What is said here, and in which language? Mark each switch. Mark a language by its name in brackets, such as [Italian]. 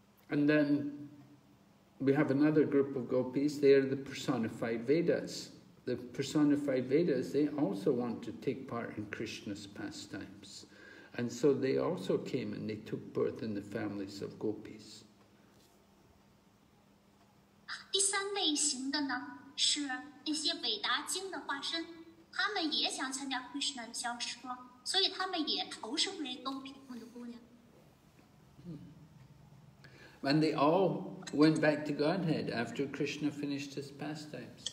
[English] And then we have another group of gopis, they are the personified Vedas. The personified Vedas, they also want to take part in Krishna's pastimes. And so they also came and they took birth in the families of gopis. [Chinese] 第三类型的呢，是那些伟达经的化身，他们也想参加 Krishna 的消失光，所以他们也投生为勾比牧牛姑娘。 [English] And they all went back to Godhead after Krishna finished his pastimes.